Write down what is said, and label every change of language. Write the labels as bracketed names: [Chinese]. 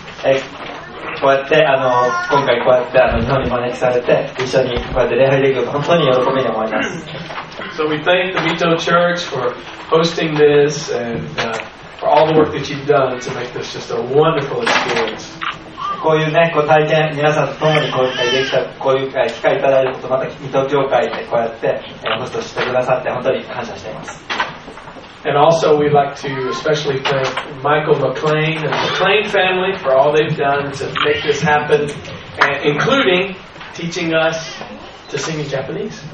[English] So we thank the Mito Church for hosting this and for all the work that you've done to make this just a wonderful experience. [Japanese] こういうね、こう体験、皆さんと共にこういう機会をいただいること、また水戸教会でこうやってホストしてくださって本当に感謝しています。 [English] And also we'd like to especially thank Michael McLean and the McLean family for all they've done to make this happen, and including teaching us to sing in Japanese.